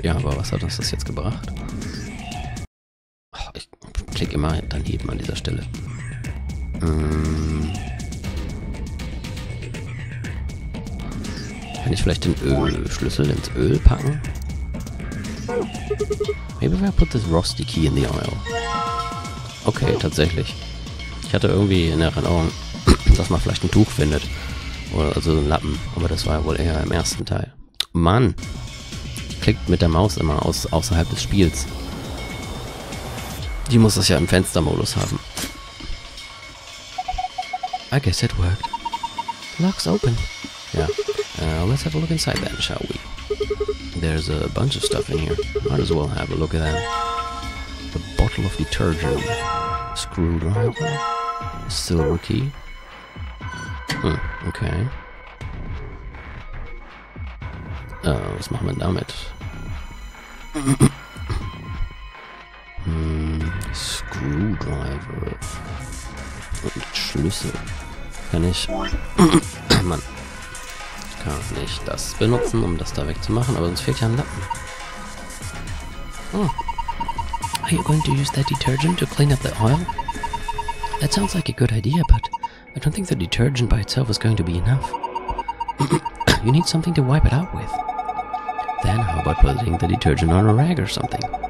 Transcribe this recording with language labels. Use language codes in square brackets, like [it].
[de] Ja, aber was hat uns das jetzt gebracht? Ich klicke immer daneben an dieser Stelle. Kann ich vielleicht den Ölschlüssel ins Öl packen? [en] Maybe if I put this rusty key in the oil. [de] Okay, tatsächlich. Ich hatte irgendwie in Erinnerung, dass man vielleicht ein Tuch findet. Oder also so ein Lappen. Aber das war ja wohl eher im ersten Teil. Mann! Klickt mit der Maus immer außerhalb des Spiels. Die muss das ja im Fenstermodus haben. [en] I guess it worked. Lock's open. Ja. Let's have a look inside then, shall we? There's a bunch of stuff in here. Might as well have a look at that. A bottle of detergent. Screwdriver. Silver key. Okay. [de] Was machen wir damit? Screwdriver. Und Schlüssel. Kann ich... Mann. Kann ich das benutzen, um das da wegzumachen, aber sonst fehlt ja ein Lappen. Oh. [en] Are you going to use that detergent to clean up the oil? That sounds like a good idea, but I don't think the detergent by itself is going to be enough. You need something to wipe it out with. Then how about putting the detergent on a rag or something?